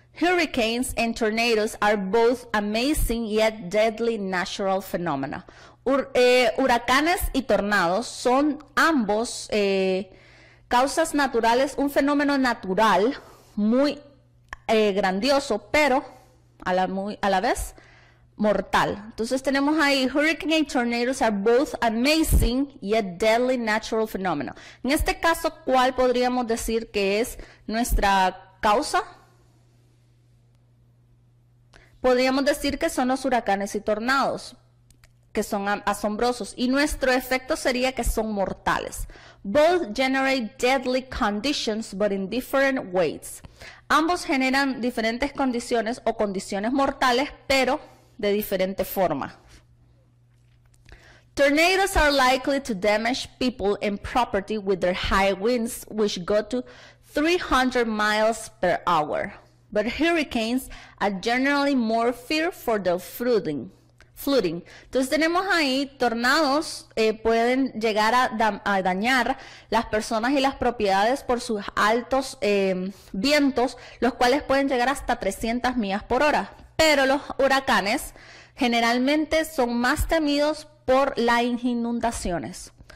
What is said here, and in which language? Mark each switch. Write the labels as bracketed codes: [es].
[en] Hurricanes and tornadoes are both amazing yet deadly natural phenomena. [es] Huracanes y tornados son ambos causas naturales, un fenómeno natural muy grandioso, pero a la vez mortal. Entonces tenemos ahí, [en] hurricane and tornadoes are both amazing yet deadly natural phenomena. [es] En este caso, ¿cuál podríamos decir que es nuestra causa? Podríamos decir que son los huracanes y tornados, que son asombrosos. Y nuestro efecto sería que son mortales. [en] Both generate deadly conditions, but in different ways. [es] Ambos generan diferentes condiciones o condiciones mortales, pero de diferente forma. [en] Tornadoes are likely to damage people and property with their high winds, which go to 300 miles per hour. But hurricanes are generally more feared for the flooding. [es] Entonces tenemos ahí, tornados pueden llegar a dañar las personas y las propiedades por sus altos vientos, los cuales pueden llegar hasta 300 millas por hora. Pero los huracanes generalmente son más temidos por las inundaciones.